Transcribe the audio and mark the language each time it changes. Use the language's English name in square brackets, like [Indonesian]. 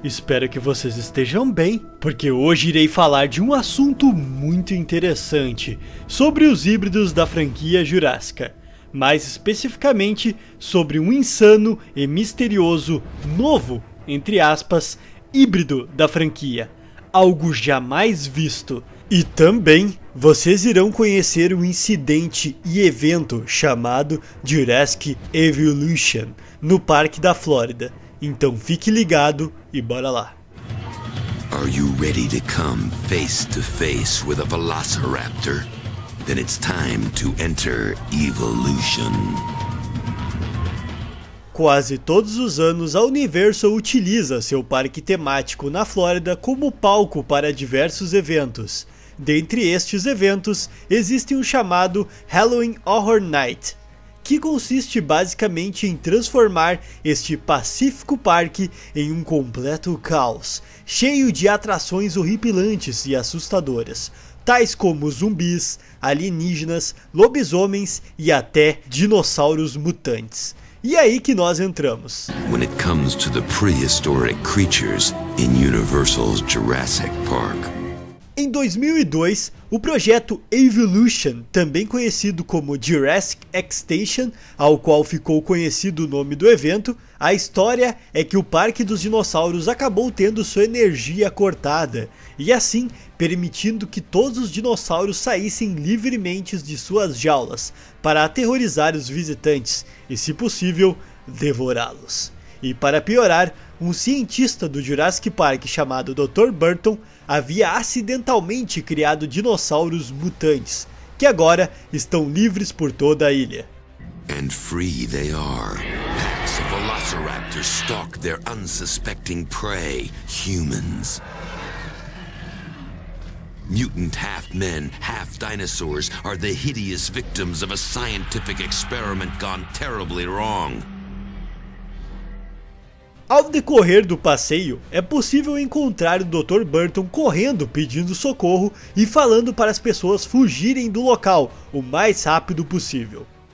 [Portuguese] Espero que vocês estejam bem, porque hoje irei falar de um assunto muito interessante sobre os híbridos da franquia Jurássica, mais especificamente sobre um insano e misterioso novo, entre aspas, híbrido da franquia, algo jamais visto. E também vocês irão conhecer um incidente e evento chamado Jurassic Evolution no Parque da Flórida. Então fique ligado e bora lá. [English] Are you ready to come face to face with a Velociraptor? Then it's time to enter Evolution. [Portuguese] Quase todos os anos, a Universal utiliza seu parque temático na Flórida como palco para diversos eventos. Dentre estes eventos, existe o chamado Halloween Horror Night, que consiste basicamente em transformar este pacífico parque em um completo caos, cheio de atrações horripilantes e assustadoras, tais como zumbis, alienígenas, lobisomens e até dinossauros mutantes. E aí que nós entramos. [English] When it comes to the prehistoric creatures in Universal's Jurassic Park. [Portuguese] Em 2002, o projeto Evolution, também conhecido como Jurassic Extension, ao qual ficou conhecido o nome do evento, a história é que o Parque dos Dinossauros acabou tendo sua energia cortada, e assim permitindo que todos os dinossauros saíssem livremente de suas jaulas, para aterrorizar os visitantes e, se possível, devorá-los. E para piorar, um cientista do Jurassic Park chamado Dr. Burton havia acidentalmente criado dinossauros mutantes, que agora estão livres por toda a ilha. [English] And free they are. Packs of velociraptors stalk their unsuspecting prey, humans. Mutant half-men, half-dinosaurs are the hideous victims of a scientific experiment gone terribly wrong. [Portuguese] Ao decorrer do passeio, é possível encontrar o Dr. Burton correndo pedindo socorro e falando para as pessoas fugirem do local o mais rápido possível.